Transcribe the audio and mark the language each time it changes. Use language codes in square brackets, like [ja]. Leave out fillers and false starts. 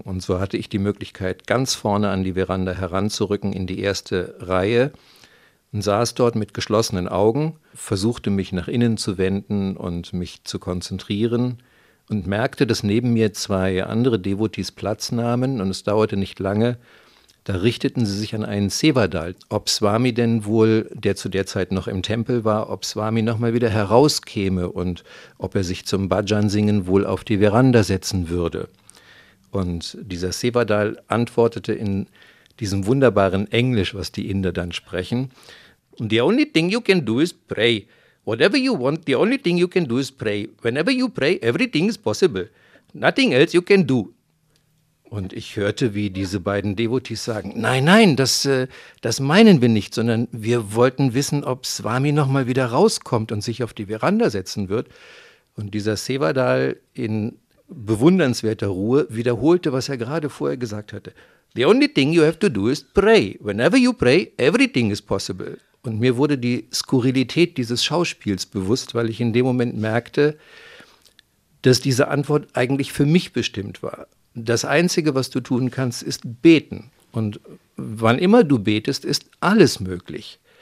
[de] Und so hatte ich die Möglichkeit, ganz vorne an die Veranda heranzurücken in die erste Reihe und saß dort mit geschlossenen Augen, versuchte mich nach innen zu wenden und mich zu konzentrieren und merkte, dass neben mir 2 andere Devotees Platz nahmen und es dauerte nicht lange, da richteten sie sich an einen Sevadal, ob Swami denn wohl, der zu der Zeit noch im Tempel war, ob Swami nochmal wieder herauskäme und ob er sich zum Bhajan-Singen wohl auf die Veranda setzen würde. Und dieser Sevadal antwortete in diesem wunderbaren Englisch, was die Inder dann sprechen. [en] The only thing you can do is pray. Whatever you want, the only thing you can do is pray. Whenever you pray, everything is possible. Nothing else you can do. [de] Und ich hörte, wie diese beiden Devotees sagen, nein, nein, das meinen wir nicht, sondern wir wollten wissen, ob Swami nochmal wieder rauskommt und sich auf die Veranda setzen wird. Und dieser Sevadal in bewundernswerter Ruhe wiederholte, was er gerade vorher gesagt hatte. [en] The only thing you have to do is pray. Whenever you pray, everything is possible. [de] Und mir wurde die Skurrilität dieses Schauspiels bewusst, weil ich in dem Moment merkte, dass diese Antwort eigentlich für mich bestimmt war. Das Einzige, was du tun kannst, ist beten. Und wann immer du betest, ist alles möglich.